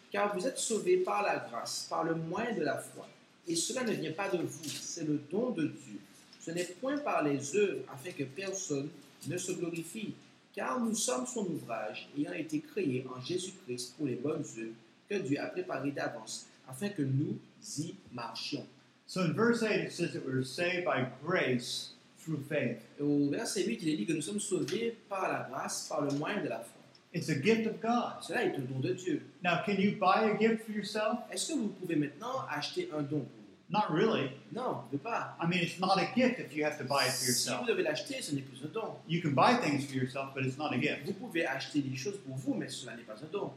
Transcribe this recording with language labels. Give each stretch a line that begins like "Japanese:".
French: Car vous êtes sauvés par la grâce, par le moyen de la foi. Et cela ne vient pas de vous, c'est le don de Dieu. Ce n'est point par les œuvres, afin que personne ne se glorifie. Car nous sommes son ouvrage, ayant été créés en Jésus-Christ pour les bonnes œuvres, que Dieu a préparées d'avance, afin que nous y marchions.
English: So in verse 8, it says that we're saved by grace.
French: Au verset 8, il est dit que nous sommes sauvés par la grâce, par le moyen de la foi.
English: It's a gift of God.
French: Cela est un don de Dieu.
English: Now, can you buy a gift for yourself?
French: Est-ce que vous pouvez maintenant acheter un don pour vous?
English: Not really.
French: Non, ne pas.
English: I mean, it's not a gift if you have to buy it for yourself.
French: Si vous devez l'acheter, ce n'est plus un don.
English: You can buy things for yourself, but it's not a gift.
French: Vous pouvez acheter des choses pour vous, mais cela n'est pas un don.